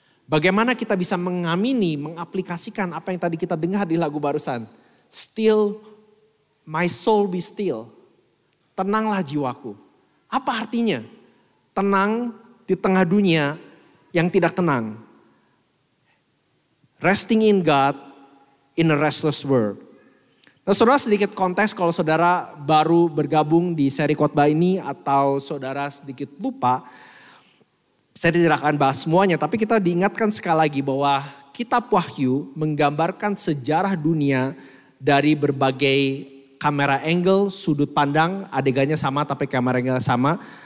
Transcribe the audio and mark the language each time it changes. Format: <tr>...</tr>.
<id>Bagaimana kita bisa mengamini, mengaplikasikan apa yang tadi kita dengar di lagu barusan.</id> <en>Still, my soul be still.</en> <id>Tenanglah jiwaku. Apa artinya? Tenang di tengah dunia yang tidak tenang.</id> <en>Resting in God in a restless world.</en> <id>Nah, saudara, sedikit konteks kalau saudara baru bergabung di seri khotbah ini atau saudara sedikit lupa, saya tidak akan bahas semuanya, tapi kita diingatkan sekali lagi bahwa kitab Wahyu menggambarkan sejarah dunia dari berbagai kamera angle, sudut pandang, adegannya sama tapi kamera angle sama,</id>